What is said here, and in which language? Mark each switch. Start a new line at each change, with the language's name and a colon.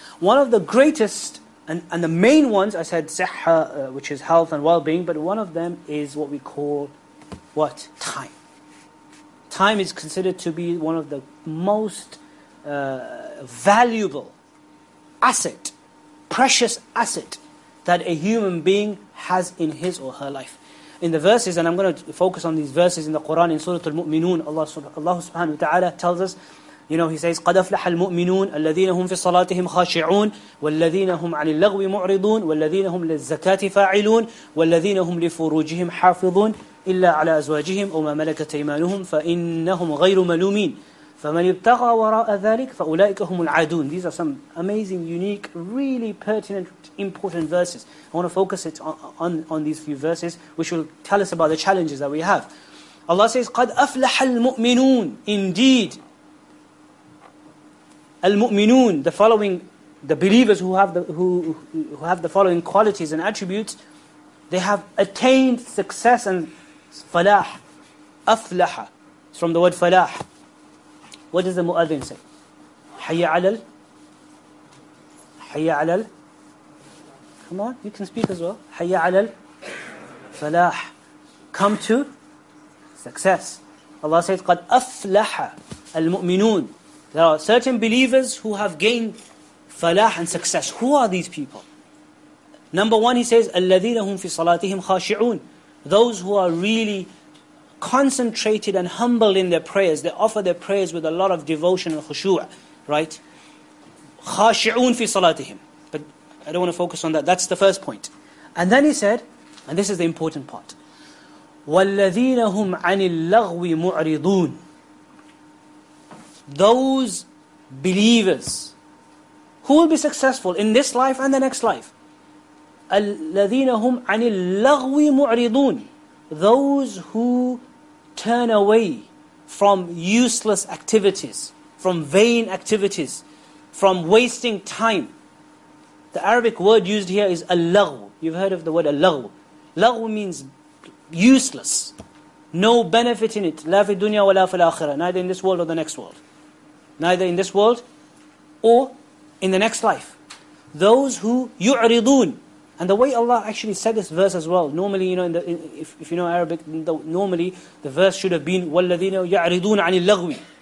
English: One of the greatest and the main ones, I said sihha, which is health and well-being, but one of them is what we call, what? Time. Time is considered to be one of the most valuable asset, precious asset that a human being has in his or her life. In the verses, and I'm going to focus on these verses in the Quran, in Surah Al-Mu'minun, Allah subhanahu wa ta'ala tells us, you know, He says,
Arabic: قَدْ أَفْلَحَ الْمُؤْمِنُونَ الَّذِينَ هُمْ فِي صَلَاتِهِمْ خَاشِعُونَ وَالَّذِينَ هُمْ عَنِ اللَّغْوِ مُعْرِضُونَ وَالَّذِينَ هُمْ لِلزَّكَاةِ فَاعِلُونَ وَالَّذِينَ هُمْ لِفُرُوجِهِمْ حَافِظُونَ إِلَّا عَلَى أَزْوَاجِهِمْ أَوْ مَا مَلَكَتْ أَيْمَانُهُمْ فَإِنَّهُمْ غَيْرُ مَلُومِينَ. فَمَنْ يَبْتَغَى وَرَاءَ ذَلِكَ فَأُولَٰئِكَ هُمُ الْعَدُونَ.
English: These are some amazing, unique, really pertinent, important verses. I want to focus it on these few verses, which will tell us about the challenges that we have. Allah says,
Arabic: قَدْ أَفْلَحَ الْمُؤْمِنُونَ.
English: Indeed, المؤمنون, the following, the believers who have the following qualities and attributes, they have attained success and falah. أَفْلَحَ, it's from the word falah. What does the muadhin say?
Arabic: حَيَّ عَلَلْ, حَيَّ عَلَلْ.
English: Come on, you can speak as well.
Arabic: حَيَّ عَلَلْ falah.
English: Come to success. Allah says,
Arabic: قَدْ أَفْلَحَ الْمُؤْمِنُونَ.
English: There are certain believers who have gained falah and success. Who are these people? Number one, he says,
Arabic: الَّذِينَ هُمْ فِي صَلَاتِهِمْ خَاشِعُونَ.
English: Those who are really concentrated and humble in their prayers. They offer their prayers with a lot of devotion and khushu', right?
Arabic: خَاشِعُونَ فِي صَلَاتِهِمْ.
English: But I don't want to focus on that. That's the first point. And then he said, and this is the important part,
Arabic: وَالَّذِينَ هُمْ عَنِ اللَّغْوِ مُعْرِضُونَ.
English: Those believers who will be successful in this life and the next life.
Arabic: الَّذِينَ هُمْ عَنِ اللَّغْوِ مُعْرِضُونَ.
English: Those who turn away from useless activities, from vain activities, from wasting time. The Arabic word used here is اللغو. You've heard of the word اللغو. لغو means useless. No benefit in it.
Arabic: لا في الدنيا ولا في الآخرة.
English: Neither in this world or the next world. Neither in this world or in the next life. Those who يعرضون. And the way Allah actually said this verse as well, normally, you know, if you know Arabic, normally the verse should have been
Arabic: وَالَّذِينَ يَعْرِضُونَ عَنِ اللَّغْوِ.